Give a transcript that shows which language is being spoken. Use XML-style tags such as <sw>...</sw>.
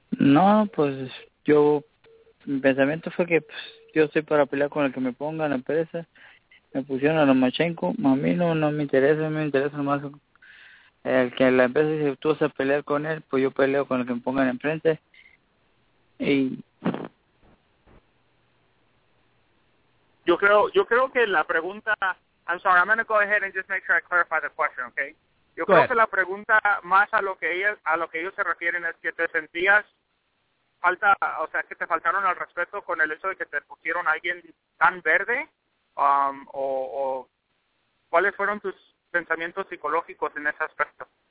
<es>No, pues yo, mi pensamiento fue que pues, yo estoy para pelear con el que me ponga en la empresa. Me pusieron a Lomachenko, a mí no me interesa más el que la empresa dice, tú vas a pelear con él, pues yo peleo con el que me pongan enfrente. Y yo creo que la pregunta,</es> <en>I'm sorry, I'm going to go ahead and just make sure I clarify the question, okay?</en> <es>Yo creo que la pregunta más a lo que ellos se refieren es que te sentías falta, o sea, que te faltaron al respeto con el hecho de que te pusieron a alguien tan verde, o ¿cuáles fueron tus pensamientos psicológicos en ese aspecto?</es>